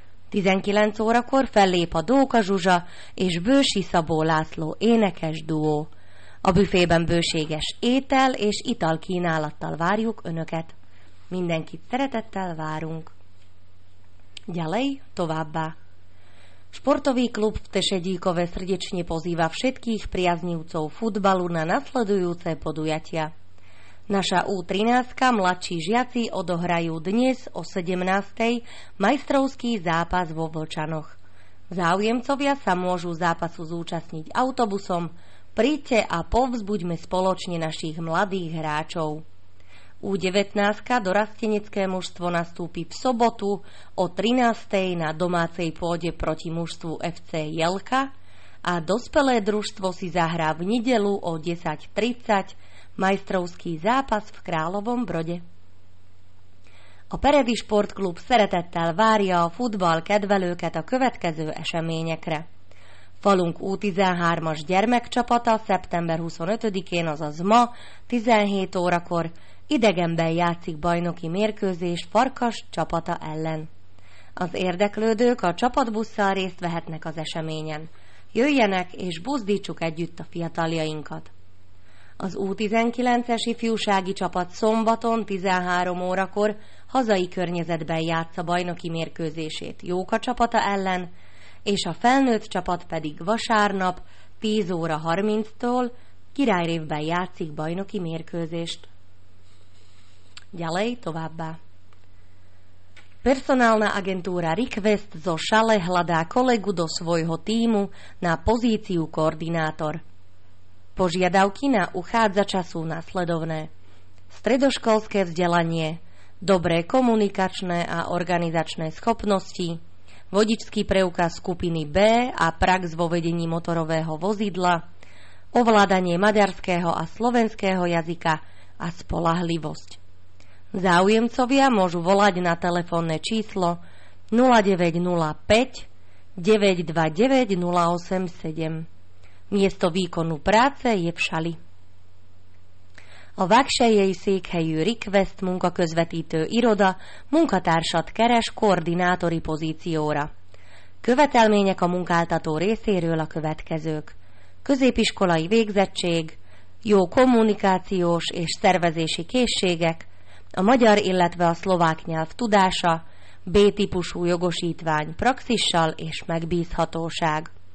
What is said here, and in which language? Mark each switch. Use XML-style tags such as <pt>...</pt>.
<hu>19 órakor fellép a Dóka Zsuzsa és Böši Szabó László énekes duó. A büfében bőséges étel és ital kínálattal várjuk önöket. Mindenkit szeretettel várunk. Gyalej továbbá!</hu> <sk>Športový klub v Tešedíkove srdečne pozýva všetkých priaznivcov futbalu na nasledujúce podujatia. Naša U13 mladší žiaci odohrajú dnes o 17. majstrovský zápas vo Vlčanoch. Záujemcovia sa môžu zápasu zúčastniť autobusom, príďte a povzbuďme spoločne našich mladých hráčov. U19 dorasteneckej mužstvo nastúpi v sobotu o 13. na domácej pôde proti mužstvu FC Jelka a dospelé družstvo si zahrá v nedeľu o 10.30 majstrovský zápas v Královom Brode.</sk> <hu>A Peredi Sportklub szeretettel várja a futball kedvelőket a következő eseményekre. Falunk U13-as gyermekcsapata szeptember 25-én, azaz ma 17 órakor idegenben játszik bajnoki mérkőzés Farkas csapata ellen. Az érdeklődők a csapatbusszal részt vehetnek az eseményen. Jöjjenek és buzdítsuk együtt a fiataljainkat! Az U19-es ifjúsági csapat szombaton 13 órakor hazai környezetben játsza bajnoki mérkőzését Jóka csapata ellen, és a felnőtt csapat pedig vasárnap 10 óra 30-tól Királyrévben játszik bajnoki mérkőzést. Gyalej továbbá!</hu> <sk>Personálna agentúra request zo šale hľadá kolegu do svojho týmu na pozíciu koordinátor. Požiadavky na uchádzača sú nasledovné. Stredoškolské vzdelanie, dobré komunikačné a organizačné schopnosti, vodičský preukaz skupiny B a prax vo vedení motorového vozidla, ovládanie maďarského a slovenského jazyka a spoľahlivosť. Záujemcovia môžu volať na telefónne číslo 0905 929 087. Miesto výkonu práce je v Šali.</sk> <hu>A Vágsejjei székhelyű request munkaközvetítő iroda munkatársat keres koordinátori pozícióra. Követelmények a munkáltató részéről a következők. Középiskolai végzettség, jó kommunikációs és szervezési készségek, a magyar, illetve a szlovák nyelv tudása, B-típusú jogosítvány praxissal és megbízhatóság.</hu>